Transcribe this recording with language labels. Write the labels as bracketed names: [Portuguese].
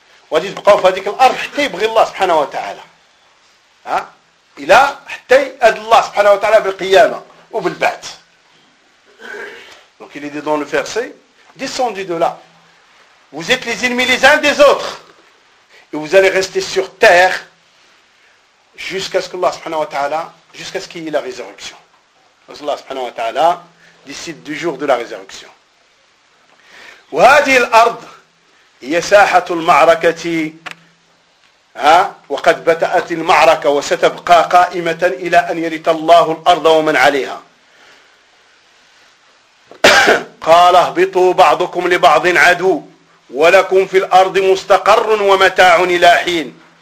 [Arabic] وغادي تبقى في هذيك الارض حتى يبغي الله سبحانه وتعالى ها الى حتى يأذ الله سبحانه وتعالى بالقيامه وبالبعث. [French] Donc il est dit dans le verset, descendu de là, vous êtes les ennemis les uns des autres et vous allez rester sur terre jusqu'à ce que Allah سبحانه وتعالى, jusqu'à ce qu'il y ait la résurrection, parce que Allah سبحانه وتعالى décide du jour de la résurrection. [Arabic] وهذه الارض هي ساحة المعركة وقد بدأت المعركة وستبقى قائمة إلى أن يرث الله الأرض ومن عليها. قال اهبطوا بعضكم لبعض عدو ولكم في الأرض مستقر ومتاع إلى حين.